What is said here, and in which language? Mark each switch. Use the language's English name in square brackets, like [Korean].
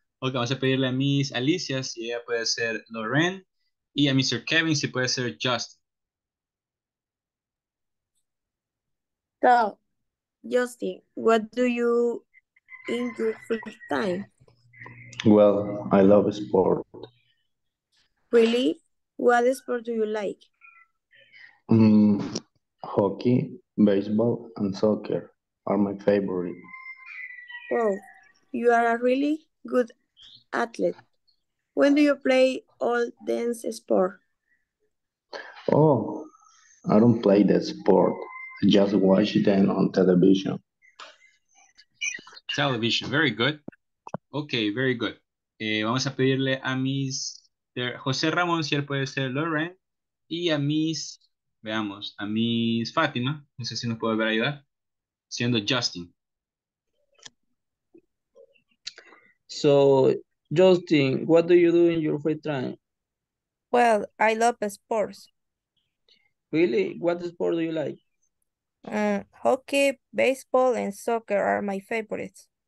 [Spanish] Ok, vamos a pedirle a Miss Alicia si ella puede ser Loren y a Mr. Kevin si puede ser Justin. [English] So, Justin, what do you in your free time? Well, I love sport. Really? What sport do you like? Hockey, baseball, and soccer are my favorite. Wow, you are a really good athlete. When do you play all dance sport? Oh, I don't play that sport. I just watch them on television. Television, very good. Okay, very good. [Spanish] Vamos a pedirle a [English] Mr. [Spanish] José Ramón, si él puede ser Loren, y a Miss Fátima, no sé si nos puede ver ayudar, siendo Justin. [English] So, Justin, what do you do in your free time? Well, I love sports. Really? What sport do you like? Hockey, baseball, and soccer are my favorites.